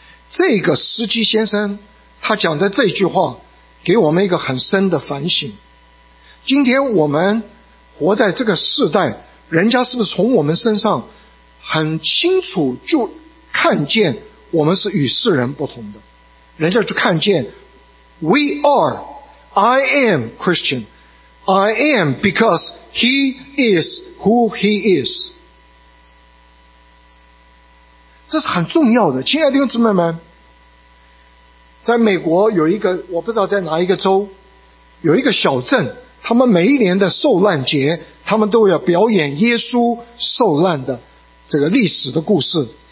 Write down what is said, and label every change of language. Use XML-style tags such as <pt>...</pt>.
<zh>这个司机先生他讲的这句话给我们一个很深的反省。今天我们活在这个世代，人家是不是从我们身上很清楚就看见我们是与世人不同的？人家就看见</zh> <en>We are, I am Christian, I am because he is who he is.</en> <zh>这是很重要的。亲爱的弟兄姊妹们，在美国有一个，我不知道在哪一个州，有一个小镇，他们每一年的受难节，他们都要表演耶稣受难的这个历史的故事。</zh>